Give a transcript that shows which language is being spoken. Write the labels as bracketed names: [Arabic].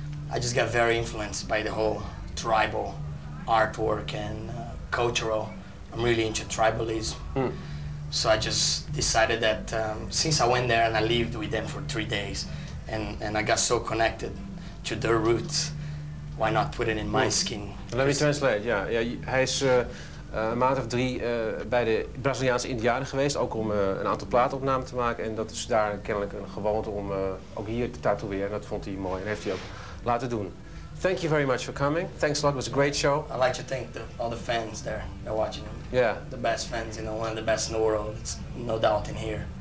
[English] I just got very influenced by the whole tribal artwork and cultural. I'm really into tribalism. Mm. So I just decided that since I went there and I lived with them for 3 days, and I got so connected to their roots, why not put it in my skin? Let me translate, yeah. [Dutch] Yeah, hij is een maand of drie bij de Braziliaanse Indianen geweest, ook om een aantal plaatopnamen te maken. En dat is daar kennelijk een gewoonte om ook hier te tatoeëren. Dat vond hij mooi en heeft hij ook laten doen. [English] Thank you very much for coming. Thanks a lot, it was a great show. I'd like to thank all the fans there, they're watching them. Yeah. The best fans, you know, one of the best in the world. It's no doubt in here.